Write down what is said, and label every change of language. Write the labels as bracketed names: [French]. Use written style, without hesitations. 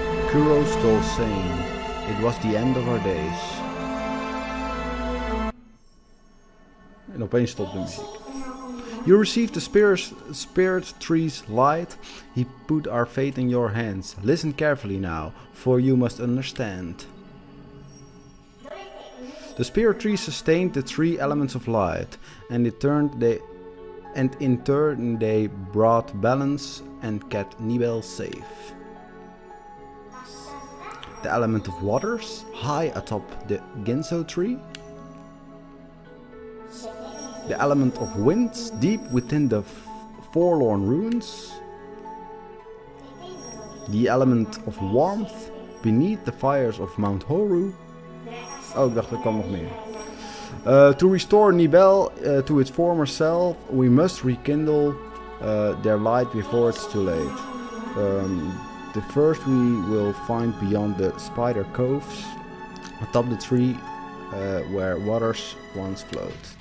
[English] Kuro still saying, it was the end of our days. [Dutch] En opeens stopt de muziek. [English] You received the spirit tree's light. He put our fate in your hands. Listen carefully now, for you must understand. The spirit tree sustained the three elements of light, and it turned they brought balance and kept Nibel safe. The element of waters, high atop the Ginso tree. The element of winds, deep within the forlorn ruins. The element of warmth, Beneath the Fires of Mount Horu. [Dutch] Oh, ik dacht er kwam nog meer. [English] To restore Nibel to its former self, we must rekindle their light before it's too late. The first we will find beyond the spider coves, atop the tree where waters once flowed.